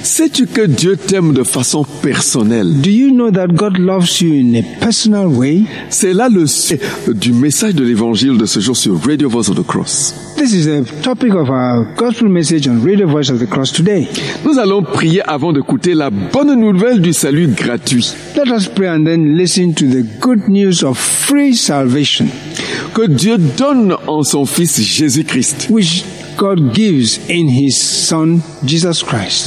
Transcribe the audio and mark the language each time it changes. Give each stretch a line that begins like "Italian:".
French: Sais-tu que Dieu t'aime de façon personnelle?
English: Do you know that God loves you in a personal way?
French: C'est là le sujet du message de l'Évangile de ce jour sur Radio Voice of the Cross.
English: This is the topic of our gospel message on Radio Voice of the Cross today.
French: Nous allons prier avant d'écouter la bonne nouvelle du salut gratuit.
English: Let us pray and then listen to the good news of free salvation.
French: Que Dieu donne en son Fils Jésus-Christ.
English: Which God gives in His Son Jesus Christ.